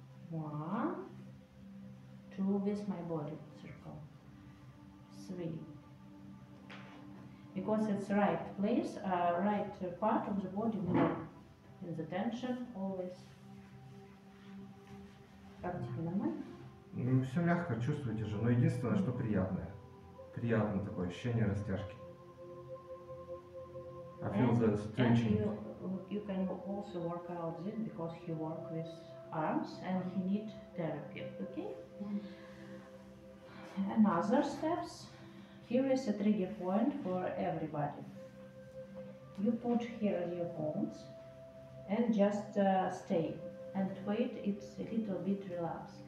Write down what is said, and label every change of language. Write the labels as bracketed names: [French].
[English] One, two with my body, circle. Three. Because it's right place, right part of the body in the tension always. [Russian] Как тебе нормально? Ну, все мягко, чувствую тяжело. Но единственное, что приятное. Приятное такое ощущение растяжки. [English] I feel the stretching. You can also work out this because he works with arms and he need therapy, okay? Mm-hmm. Another steps. Here is a trigger point for everybody. You put here your bones and just stay and wait, it's a little bit relaxed.